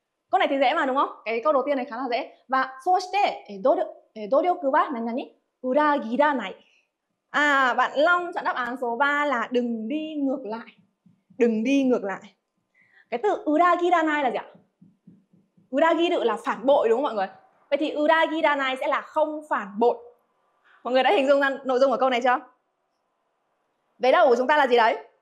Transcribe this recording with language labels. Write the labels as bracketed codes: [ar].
[vi] Câu này thì dễ mà đúng không? Cái câu đầu tiên này khá là dễ. [ja] Và そして努力は何々裏切らない. [vi] Bạn Long chọn đáp án số 3 là đừng đi ngược lại. Đừng đi ngược lại. Cái từ裏切らない là gì ạ? 裏切る là phản bội đúng không mọi người? Vậy thì 裏切らない sẽ là không phản bội. Mọi người đã hình dung ra nội dung của câu này chưa? Vế đầu của chúng ta là gì đấy?